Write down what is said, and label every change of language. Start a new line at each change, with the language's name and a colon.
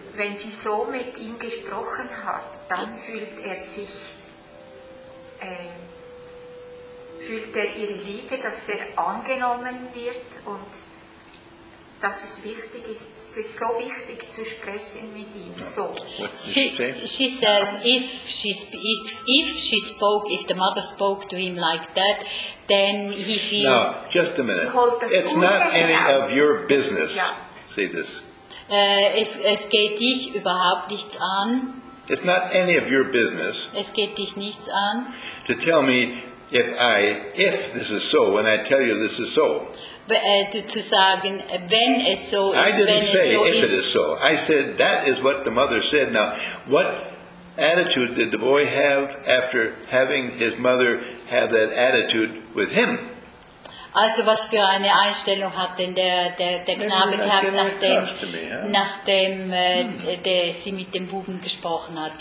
German: Wenn sie so mit ihm gesprochen hat, dann fühlt er sich fühlt er ihre Liebe, dass er angenommen wird und dass es wichtig ist, es so wichtig zu sprechen mit ihm.
English: So. She says if the mother spoke to him like that, then he feels. No, just a minute. It's not any of your business. Yeah. Say this.
German: Es geht dich überhaupt nichts an.
English: It's not any of your business.
German: Es geht dich nichts an.
English: To tell me if this is so, when I tell you this is so.
German: Zu sagen, wenn es so ist, wenn es so ist.
English: I didn't say if it is so. I said that is what the mother said. Now, what attitude did the boy have after having his mother have that attitude with him?
German: Also, was für eine Einstellung hat denn der Knabe gehabt, nachdem sie mit dem Buben gesprochen hat?